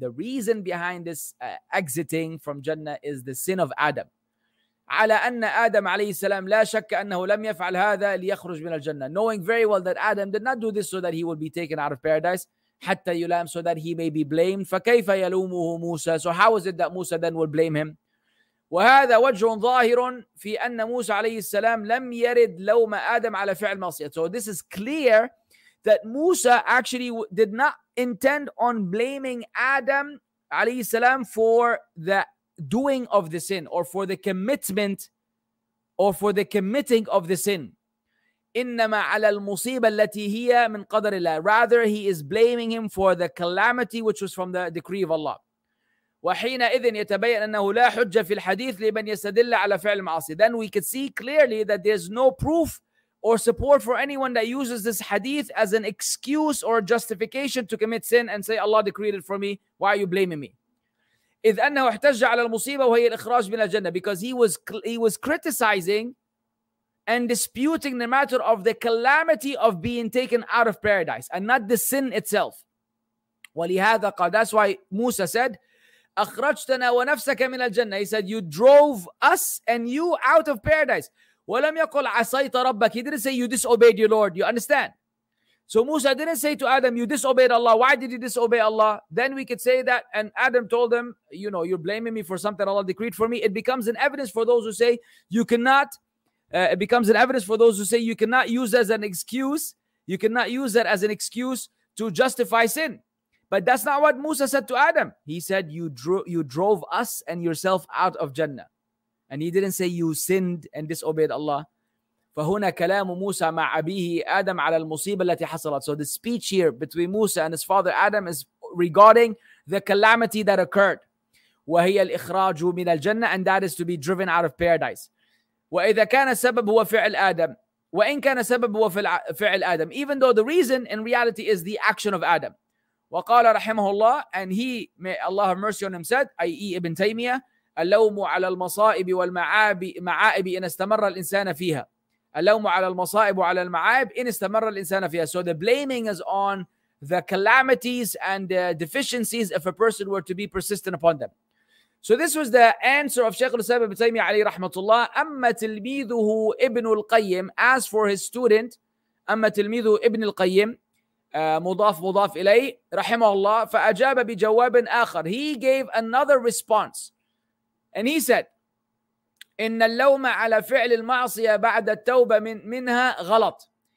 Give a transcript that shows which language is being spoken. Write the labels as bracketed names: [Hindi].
[English] The reason behind this exiting from Jannah is the sin of Adam. [Arabic] عَلَى أَنَّ آدَمَ عَلَيْهِ السَّلَامِ لَا شَكَّ أَنَّهُ لَمْ يَفْعَلْ هَذَا لِيَخْرُجْ مِنَ الْجَنَّةِ. [English] Knowing very well that Adam did not do this so that he would be taken out of paradise, [Arabic] حَتَّى يُلَامُ, [English] so that he may be blamed. [Arabic] فَكَيْفَ يَلُومُهُ مُوسَى. [English] So how is it that Musa then will blame him? [Arabic] وهذا وجه ظاهر في أن موسى عليه السلام لم يرد لوم آدم على فعل معصية. [English] So this is clear that Musa actually did not intend on blaming Adam عليه السلام for the doing of the sin or for the commitment or for the committing of the sin. [Arabic] إنما على المصيبة التي هي من قدر الله. [English] Rather, he is blaming him for the calamity which was from the decree of Allah. [Arabic] وحينئذ يتبين أنه لا حجة في الحديث لمن يستدل على فعل المعاصي. [English] Then we could see clearly that there's no proof or support for anyone that uses this hadith as an excuse or justification to commit sin and say, Allah decreed it for me, why are you blaming me? [Arabic] إذ أنه احتج على المصيبة وهي الإخراج من الجنة. [English] Because he was criticizing and disputing the matter of the calamity of being taken out of paradise and not the sin itself. [Arabic] ولهذا قال, [English] that's why Musa said, [Arabic] أخرجتنا ونفسك من الجنة. [English] He said, you drove us and you out of paradise. [Arabic] ولم يقل عصيت ربك. [English] He didn't say you disobeyed your Lord. You understand? So Musa didn't say to Adam, you disobeyed Allah. Why did you disobey Allah? Then we could say that, and Adam told him, you know, you're blaming me for something Allah decreed for me. It becomes an evidence for those who say you cannot. You cannot use that as an excuse to justify sin. But that's not what Musa said to Adam. He said, you drove us and yourself out of Jannah. And he didn't say you sinned and disobeyed Allah. [Arabic] فَهُنَا كَلَامُ مُوسَى مَعْ أَبِيهِ آدَمْ عَلَى الْمُصِيبَ الَّتِي حَصَلَتْ. [English] So the speech here between Musa and his father Adam is regarding the calamity that occurred. [Arabic] وَهِيَ الْإِخْرَاجُ مِنَ الْجَنَّةِ. [English] And that is to be driven out of paradise. [Arabic] وَإِذَا كَانَ السَّبَبُ هُوَ فِعْلَ آدَمْ. وَإِنْ كَانَ السَّبَبُ هُوَ فِعْلَ آدَمْ. [English] Even though the reason in reality is the action of Adam. [Arabic] وقال رحمه الله, [English] and he, may Allah have mercy on him, said, i.e. [Arabic] Ibn Taymiyyah, اللوم على المصائب والمعائب إن استمر الإنسان فيها. اللوم على المصائب وعلى المعائب إن استمر الإنسان فيها. [English] So the blaming is on the calamities and the deficiencies if a person were to be persistent upon them. So this was the answer of Shaykh al-Islam Ibn Taymiyyah عليه رحمة الله. [Arabic] أما تلميذه ابن القيم, [English] as for his student, [Arabic] أما تلميذه ابن القيم, مضاف إليه رحمه الله, فأجاب بجواب آخر. [English] He gave another response. And he said, [Arabic] إن اللوم على فعل المعصية بعد التوبة منها غلط.